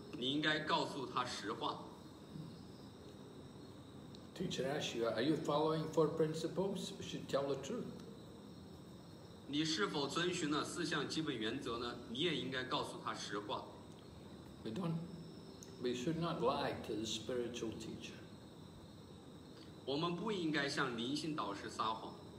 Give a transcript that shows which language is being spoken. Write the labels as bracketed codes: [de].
[zh] 你应该告诉他实话。 [en] Teacher asks you, are you following four principles? We should tell the truth. [zh] 你是否遵循了四项基本原则呢？你也应该告诉他实话。 [en] We should not lie to the spiritual teacher. [zh] 我们不应该向灵性导师撒谎。